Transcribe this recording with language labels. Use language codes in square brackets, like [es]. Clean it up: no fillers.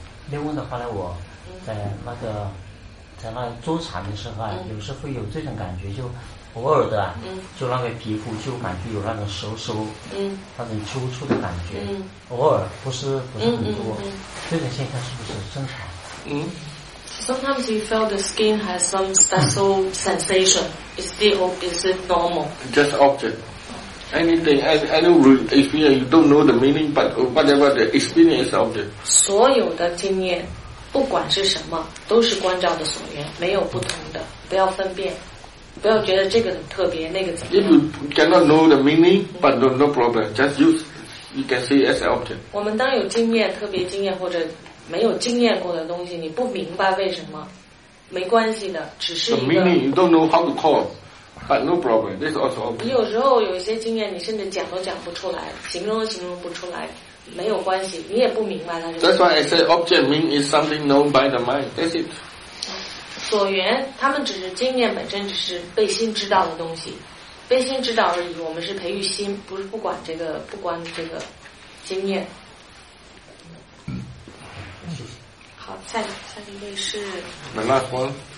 [zh] 另外的话呢，我在那个。在那坐禅的时候啊，有时会有这种感觉，就偶尔的，就那个皮肤就感觉有那种收缩，那种抽搐的感觉，偶尔不是很多，这种现象是不是正常？ [en] Sometimes you feel the skin has some special sensation. Is it normal? Just object. Anything, any experience, you don't know the meaning, but whatever the experience is object. [zh] 所有的经验。不管是什么，都是关照的所缘，没有不同的，不要分辨，不要觉得这个很特别，那个怎么样。 [en] If you cannot know the meaning, but no problem, just use, you can see as an object. [zh] 我们当有经验，特别经验或者没有经验过的东西，你不明白为什么，没关系的，只是一个。 [en] The meaning, you don't know how to call, but no problem, this is also object. [zh] 你有时候有一些经验，你甚至讲都讲不出来，形容都形容不出来。没有关系，你也不明白它是。 [en] That's why I say object mean is something known by the mind. That's it. [zh] 所缘，他们只是经验本身，只是被心知道的东西，被心知道而已。我们是培育心，不是不管这个经验。好，下一位是。 [en] The last one.